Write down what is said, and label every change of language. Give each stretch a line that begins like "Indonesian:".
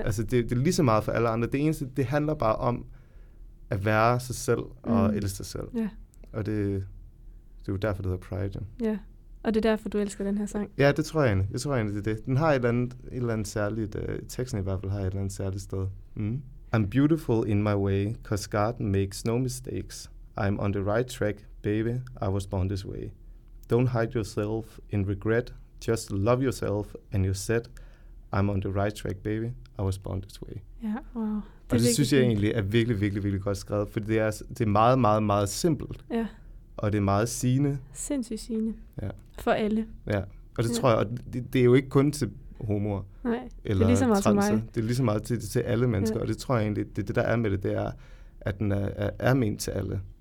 Danish: Altså, det er lige så meget for alle andre. Det eneste, det handler bare om at være sig selv og elske sig selv. Ja. Og det er jo derfor, det hedder Pride. Ja. Ja, og det er derfor, du elsker den her sang. Ja, det tror jeg egentlig. Jeg tror egentlig, det er det. Den har et eller andet særligt, teksten i hvert fald har et eller andet særligt sted. Mm.
English: I'm beautiful in my way, 'cause God makes no mistakes. I'm on the right track, baby, I was born this way. Don't hide yourself in regret, just love yourself, and you said, I'm on the right track, baby, I was born this way.
Danish: Ja, wow. Og det synes jeg egentlig er virkelig, virkelig, virkelig godt skrevet, for det er meget, meget, meget simpelt. Ja. Og det er meget sigende. Sindssygt sigende. Ja. For alle. Ja. Og det tror jeg, og det er jo ikke kun til humor. Nej. Eller det er ligesom meget til mig. Det er ligesom meget til alle mennesker, og det tror jeg egentlig, det der er med det, det er, at den er ment til alle.